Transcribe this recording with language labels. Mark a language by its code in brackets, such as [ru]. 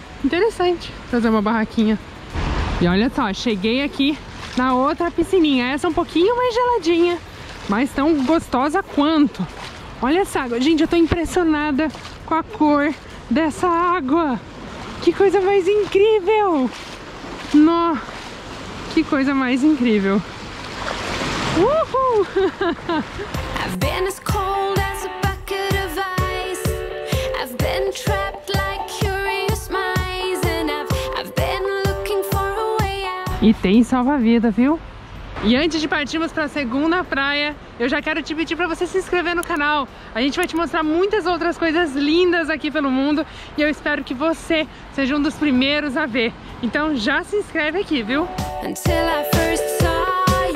[pt] Interessante trazer uma barraquinha. E olha só, cheguei aqui na outra piscininha. Essa é um pouquinho mais geladinha, mas tão gostosa quanto. Olha essa água. Gente, eu tô impressionada com a cor dessa água. Que coisa mais incrível. Nó. Que coisa mais incrível. [en] I've been as cold as a bucket of ice. I've been trapped like curious mice. And I've been looking for a way out. [pt] E tem salva-vida, viu? E antes de partirmos para a segunda praia, eu já quero te pedir para você se inscrever no canal. A gente vai te mostrar muitas outras coisas lindas aqui pelo mundo e eu espero que você seja um dos primeiros a ver. Então já se inscreve aqui, viu? [en] Until I first saw